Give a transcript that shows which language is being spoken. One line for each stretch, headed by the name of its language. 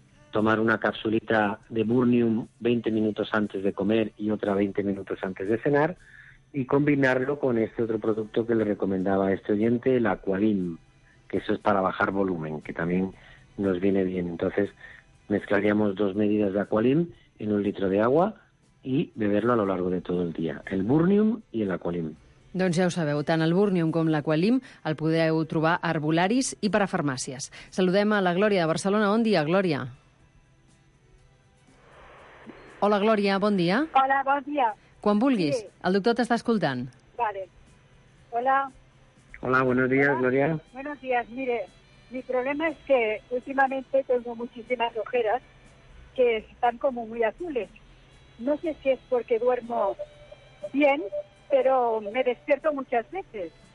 Spanish: Tomar una capsulita de Burnium 20 minutos antes de comer y otra 20 minutos antes de cenar, y combinarlo con este otro producto que le recomendaba este oyente, el Aqualim, que eso es para bajar volumen, que también nos viene bien. Entonces mezclaríamos 2 medidas de Aqualim en 1 litro de agua y beberlo a lo largo de todo el día, el Burnium i l'Aqualim.
Catalan: Doncs ja ho sabeu, tant el Burnium com l'Aqualim el podeu trobar a Arbolaris i per a farmàcies. Saludem a la Glòria de Barcelona. Bon dia, Glòria. Hola, Glòria, bon dia. Hola, bon dia. Quan vulguis. Sí. El doctor t'està escoltant.
Spanish: Vale. Hola. Hola, buenos días. Hola. Glòria. Buenos días. Mire, mi problema es que últimamente tengo muchísimas ojeras que están como muy azules. No sé si es porque duermo bien, pero me despierto muchas veces.